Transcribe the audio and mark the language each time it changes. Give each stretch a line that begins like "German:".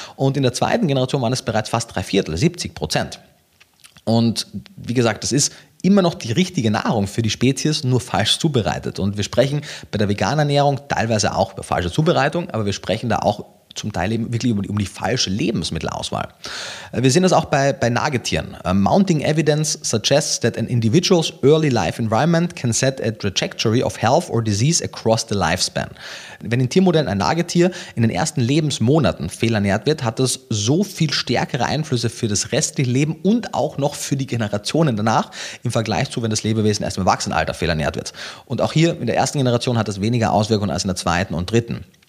German: Und in der zweiten Generation waren es bereits fast 3/4, 70%. Und wie gesagt, das ist immer noch die richtige Nahrung für die Spezies, nur falsch zubereitet. Und wir sprechen bei der veganen Ernährung teilweise auch über falsche Zubereitung, aber wir sprechen da auch zum Teil eben wirklich um die falsche Lebensmittelauswahl. Wir sehen das auch bei Nagetieren.
English: Mounting evidence suggests that an individual's early life environment can set a trajectory of health or disease across the lifespan.
German: Wenn in Tiermodellen ein Nagetier in den ersten Lebensmonaten fehlernährt wird, hat das so viel stärkere Einflüsse für das restliche Leben und auch noch für die Generationen danach im Vergleich zu, wenn das Lebewesen erst im Erwachsenenalter fehlernährt wird. Und auch hier in der ersten Generation hat das weniger Auswirkungen als in der zweiten und dritten.